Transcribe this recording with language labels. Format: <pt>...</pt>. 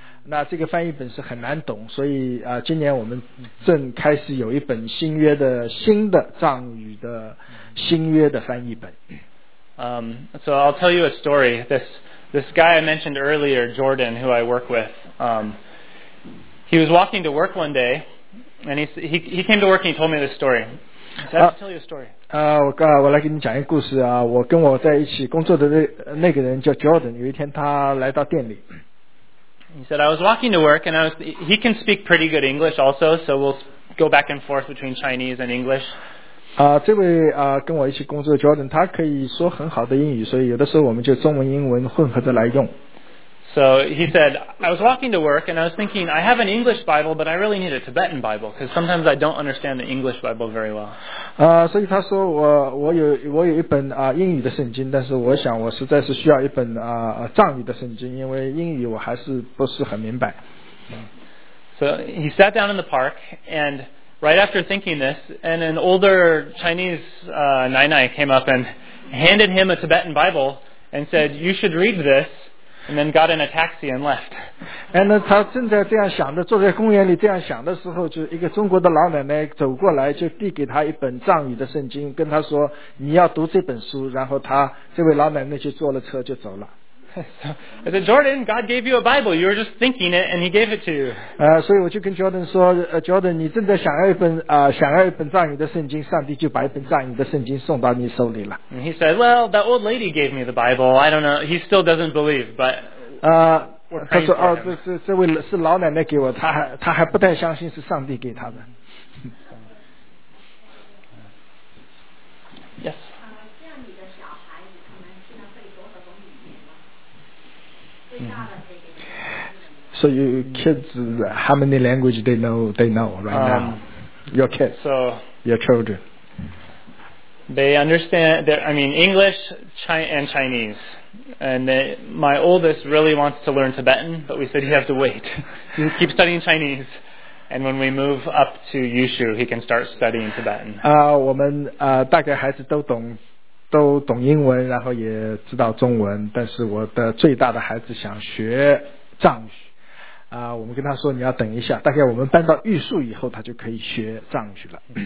<zh>那这个翻译本是很难懂，所以今年我们正开始有一本新约的新的藏语的新约的翻译本。</zh> <en>So I'll tell you a story. This guy I mentioned earlier, Jordan, who I work with, he was walking to work one day, and he came to work and he told me this story. So I have to tell you a story.</en> <zh>我来给你讲一个故事啊。我跟我在一起工作的那个人叫 Jordan， 有一天他来到店里。</zh> <en>He said, I was walking to work, and he can speak pretty good English also, so we'll go back and forth between Chinese and English.</en> <zh>这位跟我一起工作的 Jordan, 他可以说很好的英语，所以有的时候我们就中文英文混合着来用。</zh> <en>So he said, I was walking to work, and I was thinking, I have an English Bible, but I really need a Tibetan Bible, because sometimes I don't understand the English Bible very well.</en> <zh>所以他说我有一本英语的圣经，但是我想我实在是需要一本藏语的圣经，因为英语我还是不是很明白。</zh> <en>So he sat down in the park, and right after thinking this, and an older Chinese Nainai came up and handed him a Tibetan Bible and said, you should read this. And then got in a taxi and left.</en> <zh>And 他正在这样想的，坐在公园里这样想的时候，就一个中国的老奶奶走过来，就递给他一本藏语的圣经，跟他说：“你要读这本书。” 然后他这位老奶奶就坐了车就走了。</zh> <en>So, I said, Jordan, God gave you a Bible. You were just thinking it, and He gave it to you.</en> <zh>所以我就跟 Jordan 说 ，Jordan， 你正在想要一本想要一本藏语的圣经，上帝就把一本藏语的圣经送到你手里了。</zh> <en>And he said, Well, that old lady gave me the Bible. I don't know. He still doesn't believe, but.</en> <zh>他说这位是老奶奶给我，他还不太相信是上帝给他的。</zh> <en>Yes.</en> <zh>像你的小孩，你可能现在会多少种语言吗？最大的这个。</zh> <en>So you kids, how many language they know right now? Your kids. So your children. They understand. English, China, and Chinese. And my oldest really wants to learn Tibetan, but we said you have to wait. He keeps studying Chinese, and when we move up to Yushu, he can start studying Tibetan.</en> <zh>我们大概孩子都懂英文，然后也知道中文。但是我的最大的孩子想学藏语。我们跟他说你要等一下，大概我们搬到玉树以后，他就可以学藏语了。</zh>